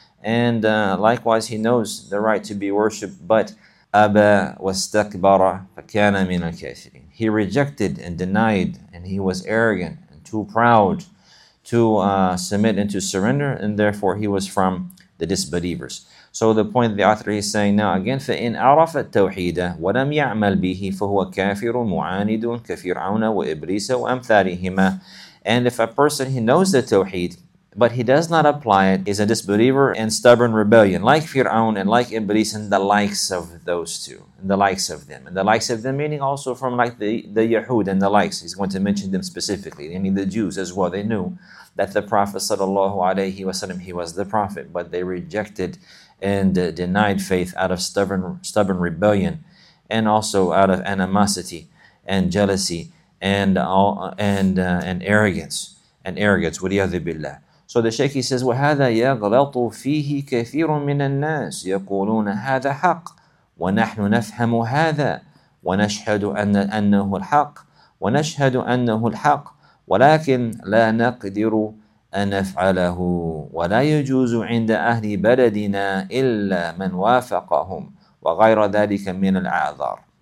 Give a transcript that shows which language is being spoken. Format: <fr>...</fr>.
<en>And likewise, he knows the right to be worshipped, but</en> <ar>أَبَى وَاسْتَكْبَرَ فَكَانَ مِنَ الْكَافِرِينَ.</ar> <en>He rejected and denied, and he was arrogant and too proud to submit and to surrender, and therefore he was from the disbelievers. So the point the author is saying now again,</en> <ar>فَإِنْ عَرَفَ التَّوْحِيدَ وَلَمْ يَعْمَلْ بِهِ فَهُوَ كَافِرٌ مُعَانِدٌ كَفِيرٌ عَوْنَ وَإِبْلِيسَ وَأَمْثَالِهِمَا.</ar> <en>And if a person, he knows the Tawheed, but he does not apply it, is a disbeliever and stubborn rebellion, like Fir'aun and like Iblis and the likes of those two, and the likes of them. And the likes of them, meaning also from like the Yahud and the likes. He's going to mention them specifically. I mean the Jews as well. They knew that the Prophet sallallahu alayhi wa sallam, he was the Prophet, but they rejected and denied faith out of stubborn rebellion, and also out of animosity and jealousy and arrogance.</en> <ar>وليعذ بالله.</ar> <en>So the Shaykh, he says,</en> <ar>وَهَذَا يَغْلَطُ فِيهِ كَثِيرٌ مِّنَ النَّاسِ يَقُولُونَ هَذَا حَقٌّ وَنَحْنُ نَفْهَمُ هَذَا وَنَشْهَدُ أَنَّهُ الْحَقُّ وَنَشْهَدُ أَنَّهُ الْحَقُّ وَلَكِنْ لَا نَقْدِرُ أَن نَفْعَلَهُ وَلَا يَجُوزُ عِنْدَ أَهْلِ بَلَدِنَا إِلَّا مَنْ وَافَقَهُمْ وَغَيْرَ ذَلِكَ مِّنَ الْعَذَارِ.</ar>